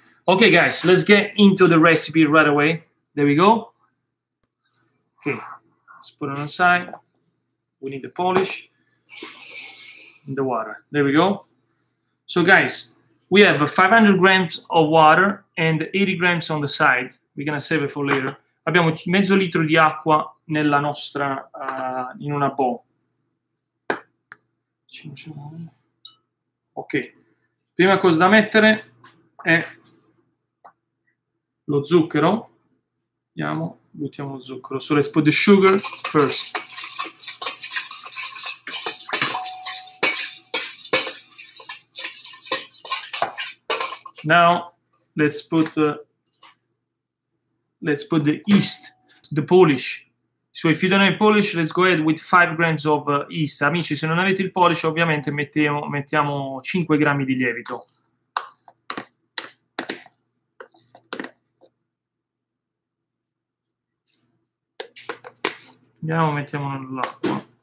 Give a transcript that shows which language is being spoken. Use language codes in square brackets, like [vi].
[en] Okay, guys, let's get into the recipe right away. There we go. Okay, let's put it on the side. We need the polish and the water. There we go. So, guys, we have 500 grams of water and 80 grams on the side. We're going to save it for later. [it] Abbiamo mezzo litro di acqua nella nostra, in una bowl. Ok. Prima cosa da mettere è lo zucchero. Andiamo, buttiamo lo zucchero. [en] So let's put the sugar first. Now let's put the yeast, the Polish. So if you don't have Polish, let's go ahead with 5 grams of yeast. [it] Amici, se non avete il Polish, ovviamente mettiamo 5 grammi di lievito. Andiamo, mettiamo nell'acqua.